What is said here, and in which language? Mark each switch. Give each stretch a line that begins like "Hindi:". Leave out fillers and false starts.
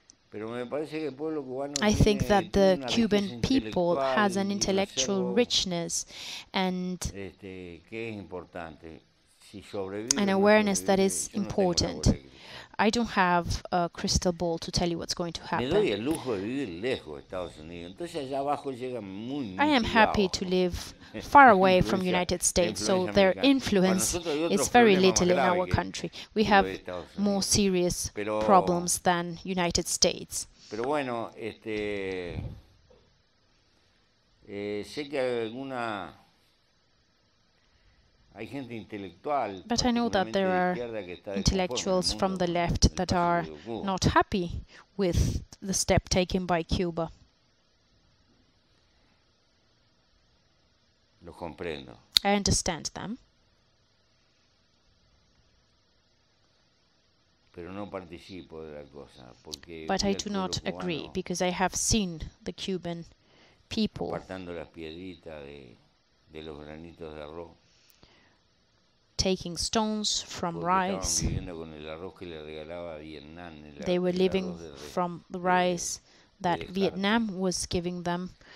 Spanish: pero me parece que el pueblo cubano
English: I think that the Cuban people has an intellectual richness and
Spanish: que es importante. Si sobrevive,
English: an awareness
Spanish: sobrevive,
English: that is important. I don't have a crystal ball to tell you what's going to happen.
Spanish: Me doy el lujo de vivir lejos de Estados Unidos. Entonces allá abajo llegan muy
English: I am happy to live far away from the United States, so their influence is very little in our country. We have more serious problems than United States.
Spanish: Pero bueno, sé que alguna hay gente intelectual,
English: but I know that there are intellectuals from the left that are not happy with the step taken by Cuba.
Spanish: Lo comprendo.
English: I understand them.
Spanish: Pero no participo de la cosa porque
English: but I do not agree because I have seen the Cuban people
Spanish: partiendo las piedritas de los granitos de arroz.
English: Taking stones from rice. They were living from the rice that Vietnam was giving them.